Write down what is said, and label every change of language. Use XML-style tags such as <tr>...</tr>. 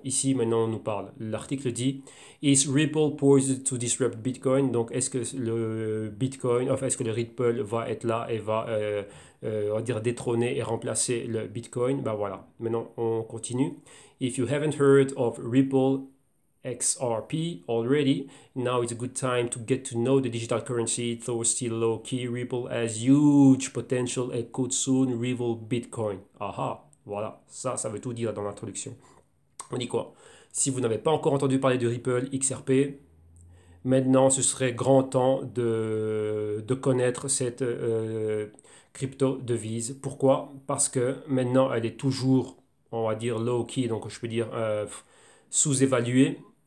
<fr>Ici, maintenant, on nous parle. L'article dit «</fr> <en>Is Ripple poised to disrupt Bitcoin ?»</en> <fr>Donc, est-ce que le Bitcoin, enfin, est-ce que le Ripple va être là et va, on va dire, détrôner et remplacer le Bitcoin? Ben voilà. Maintenant, on continue. «</fr> <en>If you haven't heard of Ripple, XRP already. Now is a good time to get to know the digital currency, though still low key. Ripple has huge potential and could soon rival Bitcoin.</en> <fr>Aha, voilà, ça, ça veut tout dire dans l'introduction. On dit quoi? Si vous n'avez pas encore entendu parler de Ripple XRP, maintenant ce serait grand temps de connaître cette crypto-devise. Pourquoi? Parce que maintenant elle est toujours, on va dire, low key, donc je peux dire sous-évaluée.</fr>